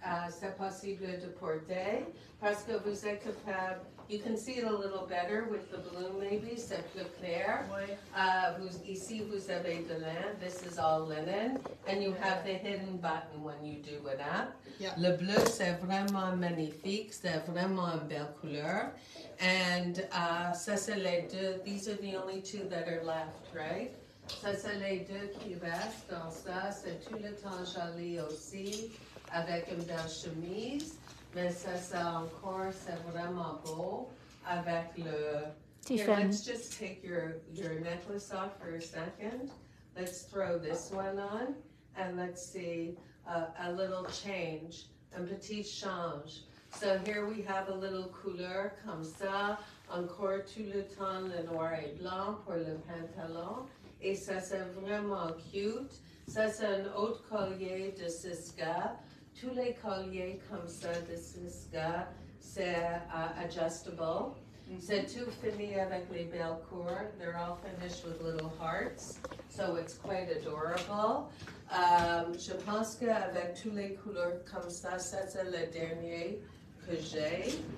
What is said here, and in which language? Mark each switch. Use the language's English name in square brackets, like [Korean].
[French] C'est possible de porter parce que vous êtes capable. [English] You can see it a little better with the blue, maybe. [French] C'est plus clair. Vous, ici, vous avez de lin. [English] This is all linen. And you have the hidden button when you do it up. Yeah. [French] Le bleu, c'est vraiment magnifique. C'est vraiment une belle couleur. And ça, c'est les deux. [English] These are the only two that are left, right? [French] Ça, c'est les deux qui restent dans ça. C'est tout le temps joli aussi, avec une belle chemise. Mais ça, c'est encore, c'est vraiment beau avec le... Tiffany. [English] Here, let's just take your necklace off for a second. Let's throw this one on and let's see a little change, [French] un petit change. [English] So here we have a little [French] couleur comme ça, encore tout le temps le noir et blanc pour le pantalon. Et ça, c'est vraiment cute. Ça, c'est un autre collier de Siska. Tous les colliers comme ça de Siska, c'est adjustable. Mm-hmm. C'est tout fini avec les belles cours. [English] They're all finished with little hearts, so it's quite adorable. [French] Je pense qu'avec tous les couleurs comme ça, ça c'est le dernier que j'ai.